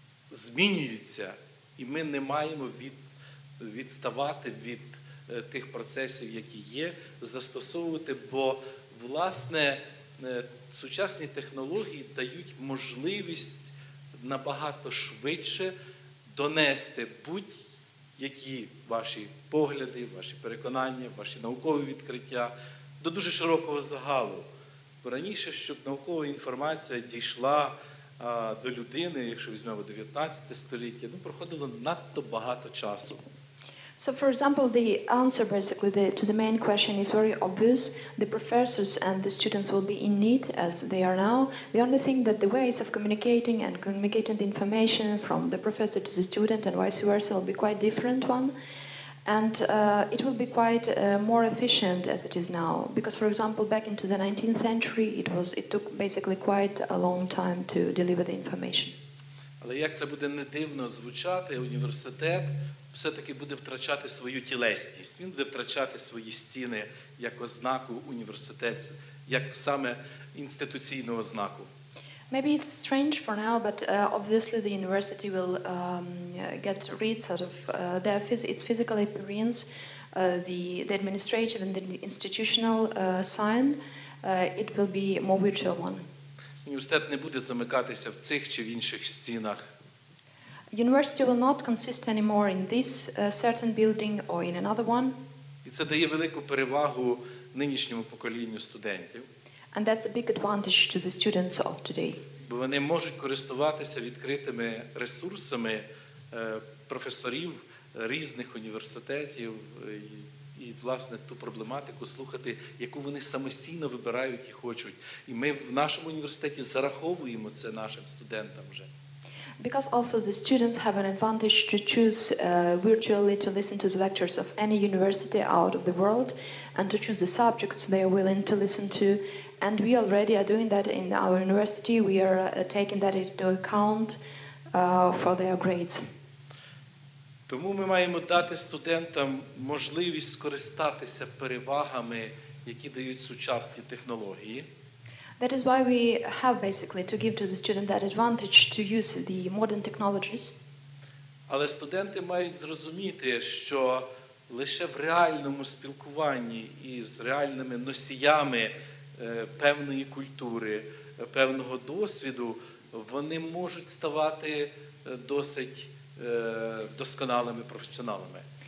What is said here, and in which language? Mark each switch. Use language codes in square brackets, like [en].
[uk] змінюються, і ми не маємо відставати від тих процесів, які є, застосовувати, бо, власне, сучасні технології дають можливість набагато швидше донести будь-які ваші погляди, ваші переконання, ваші наукові відкриття до дуже широкого загалу. Бо раніше, щоб наукова інформація дійшла до людини, якщо візьмемо 19 століття, ну, проходило надто багато часу. [en] So, for example, the answer basically to the main question is very obvious. The professors and the students will be in need as they are now. The only thing that the ways of communicating and communicating the information from the professor to the student and vice versa will be quite different one. And it will be quite more efficient as it is now. Because, for example, back into the 19th century, it took basically quite a long time to deliver the information. [uk] Але як це буде не дивно звучати, університет все-таки буде втрачати свою тілесність. Він буде втрачати свої стіни як ознаку університету, як саме інституційного знаку. [en] Maybe it's strange for now, but obviously the university will get rid sort of their its physical appearance, the administrative and the institutional sign, it will be a more virtual one. [uk] Університет не буде замикатися в цих чи в інших стінах. [en] University will not consist anymore in this certain building or in another one. [uk] І це дає велику перевагу нинішньому поколінню студентів. [en] And that's a big advantage to the students of today. [uk] Бо вони можуть користуватися відкритими ресурсами професорів різних університетів і власне ту проблематику слухати, яку вони самостійно вибирають і хочуть. І ми в нашому університеті зараховуємо це нашим студентам вже. [en] Because also the students have an advantage to choose virtually to listen to the lectures of any university out of the world and to choose the subjects they are willing to listen to. And we already are doing that in our university. We are taking that into account for their grades. [uk] Тому ми маємо дати студентам можливість скористатися перевагами, які дають сучасні технології. [en] That is why we have basically to give to the student that advantage to use the modern technologies. [uk] Але студенти мають зрозуміти, що лише в реальному спілкуванні із реальними носіями певної культури, певного досвіду, вони можуть ставати досить досконалими професіоналами.